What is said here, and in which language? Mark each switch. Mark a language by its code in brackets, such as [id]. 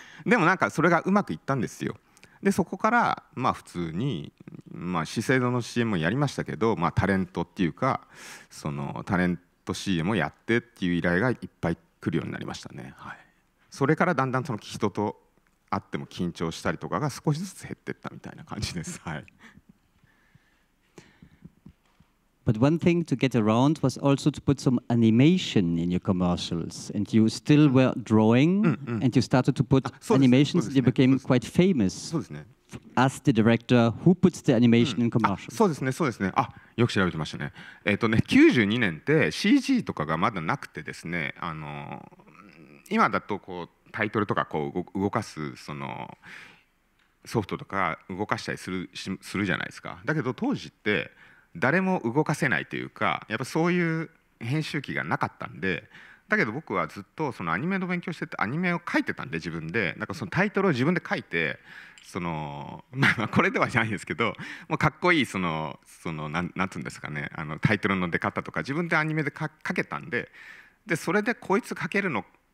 [ja] でもなんかそれがうまくいったんですよ。でそこからまあ普通に、まあ資生堂の CM もやりましたけど、まあタレントっていうか、そのタレント CM をやってっていう依頼がいっぱい来るようになりましたね。はい。それからだんだんその人と会っても緊張したりとかが少しずつ減っていったみたいな感じです。はい。 [en] But one thing to get around was also to put some animation in your commercials. And you still were drawing, and you started to put animations, and you became quite famous. [ja] そうですね。 [en] As the director who puts the animation in commercials. [ja] そうですね、そうですね。あ、よく調べてましたね。92年って CG とかがまだなくてですね、今だとこうタイトルとかこう動かすそのソフトとか動かしたりするじゃないですか。だけど当時って誰も動かせないというか、やっぱそういう編集機がなかったんで、だけど僕はずっとそのアニメの勉強しててアニメを書いてたんで自分で、なんかそのタイトルを自分で書いて、そのまあこれではないですけど、もうかっこいいそのなんていうんですかね、あのタイトルの出方とか自分でアニメで書けたんで、でそれでこいつ書けるの